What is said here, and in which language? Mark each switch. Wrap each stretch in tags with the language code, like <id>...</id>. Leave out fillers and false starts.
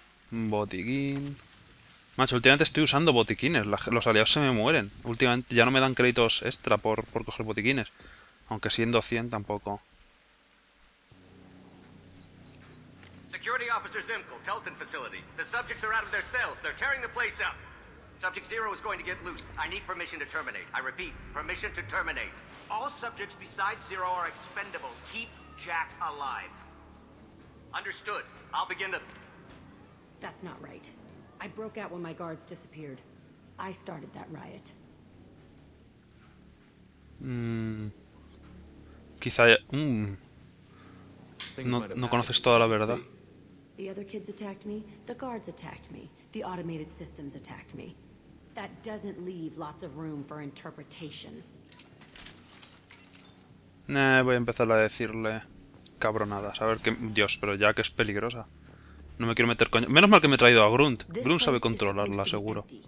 <es>Botiquín. Macho, últimamente estoy usando botiquines. Los aliados se me mueren. Últimamente ya no me dan créditos extra por coger botiquines. Aunque siendo 100 tampoco.</es> <en>Security Officer Zimkle, Telton Facility. The subjects are out of their cells. They're tearing the place up. Subject Zero is going to get loose. I need permission to terminate. I repeat, permission to terminate. All subjects besides Zero are expendable. Keep Jack alive. Understood. I'll begin to... That's not right. I broke out when my guards disappeared. I started that riot.</en> <es>Quizá... No conoces toda la verdad.</es> <en>The other kids attacked me. The guards attacked me. The automated systems attacked me. That doesn't leave lots of room for interpretation.</en> <es>Voy a empezar a decirle cabronadas. A ver qué... Dios, pero ya que es peligrosa. No me quiero meter con... Menos mal que me he traído a Grunt. Grunt sabe controlarla, seguro.</es>